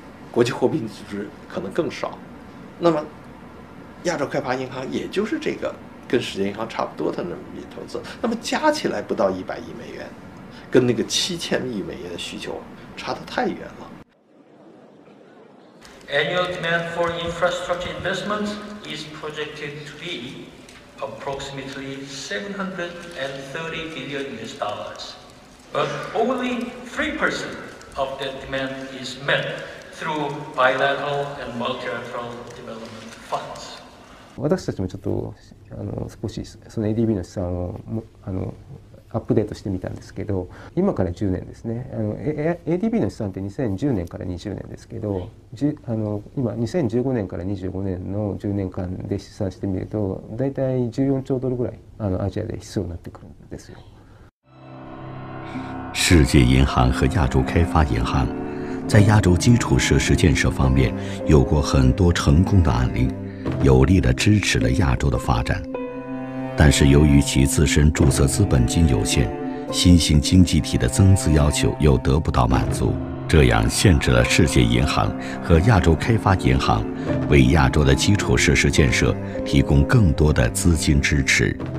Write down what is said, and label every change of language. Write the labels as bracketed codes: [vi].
[zh] 国际货币组织可能更少，那么亚洲开发银行也就是这个跟世界银行差不多的那么一笔投资，那么加起来不到100亿美元，跟那个7000亿美元的需求差得太远了。 [en] Annual demand for infrastructure investment is projected to be approximately $730 billion, but only 3% of that demand is met through bilateral and multilateral development funds。 [ja] 私たちもちょっと少しその ADB の試算をアップデートしてみたんですけど、今から10年ですね、ADB の試算って2010年から20年ですけど、今2015年から25年の10年間で試算してみると、大体14兆ドルぐらいアジアで必要になってくるんですよ。 [zh] 世界银行和亚洲开发银行在亚洲基础设施建设方面有过很多成功的案例，有力地支持了亚洲的发展，但是由于其自身注册资本金有限，新兴经济体的增资要求又得不到满足，这样限制了世界银行和亚洲开发银行为亚洲的基础设施建设提供更多的资金支持。